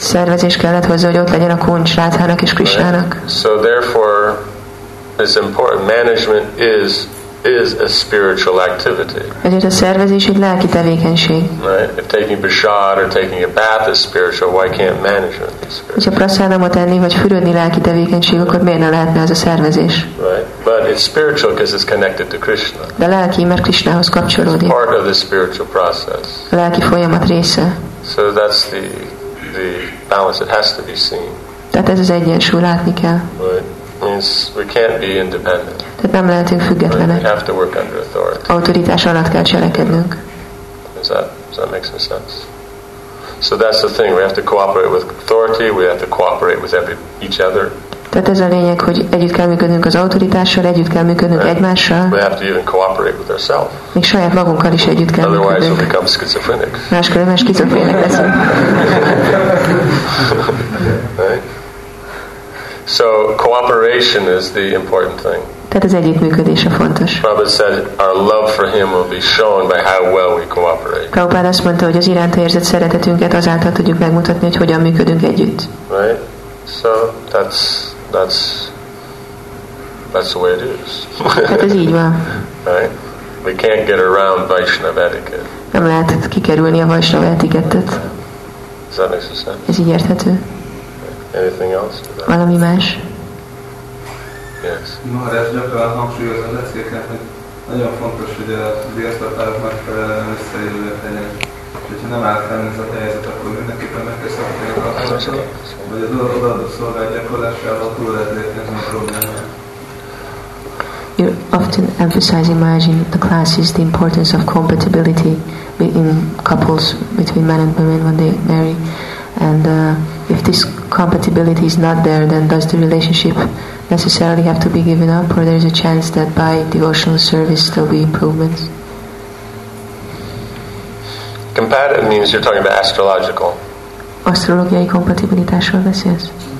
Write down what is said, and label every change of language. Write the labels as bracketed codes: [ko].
[hu] Szervezés kellett hozzá, hogy ott legyen a kunj Radhának és Krishnának. [en] So therefore, it's important. Management is a spiritual activity. [hu] Ezért a szervezés egy lelki tevékenység. [en] Right? If taking a prasadam or taking a bath is spiritual, why can't management be spiritual? [hu] Hogyha prasadamot enni, vagy fürödni lelki tevékenység, akkor miért ne lehetne az a szervezés? [en] Right? But it's spiritual because it's connected to Krishna. [hu] De lelki, mert Krishnához kapcsolódik. [en] It's part of the spiritual process. [hu] A lelki folyamat része. [en] So that's the balance that has to be seen. [hu] Tehát ez az egyensúly, látni kell. [en] Right? Means we can't be independent. [hu] Tehát nem lehetünk függetlenek. [en] We have to work under authority. [hu] Autoritás alatt kell cselekednünk. [en] Does that make some sense? So that's the thing. We have to cooperate with authority. We have to cooperate with each other. [hu] Tehát ez a lényeg, hogy együtt kell működnünk az autoritással, együtt kell működnünk [en] right. [hu] egymással. [en] We have to even cooperate with ourselves. [hu] Még saját magunkkal is együtt kell [en] Otherwise [hu] működnünk. [en] Otherwise, we'll become schizophrenic. [hu] Máskülönben schizophrenic leszünk. [en] So cooperation is the important thing. [hu] Tehát az együttműködés a fontos. [en] Prabhupada said our love for him will be shown by how well we cooperate. [hu] Prabhupada azt mondta, hogy az iránta érzett szeretetünket azáltal tudjuk megmutatni, hogy hogyan működünk együtt. [en] Right? So that's the way it is. [hu] Hát ez így van. [en] Right? We can't get around Vaishnava etiquette. [hu] Nem lehet kikerülni a Vaishnava etikettet. [en] Is that makes sense? [hu] Ez így érthető. [en] Anything else? [hu] Valami más? [en] Yes. [hu] Maharaj gyakran hangsúlyozza a beszélgetésnek, hogy nagyon fontos, hogy a délszatárok megfelelően összeillő legyen. És hogyha nem állt fenn ez a helyzet, akkor mindenképpen meg kell szakítani a kapcsolatot, hogy az odaadott szolgált gyakorlásával túl lehet lépni ezen a problémát. [en] You often emphasize in Maharaj in the classes the importance of compatibility in couples between men and women when they marry. And if this compatibility is not there, then does the relationship necessarily have to be given up, or there is a chance that by devotional service there will be improvements? Compatible means you're talking about astrological. [hu] Asztrológiai kompatibilitásról beszélsz?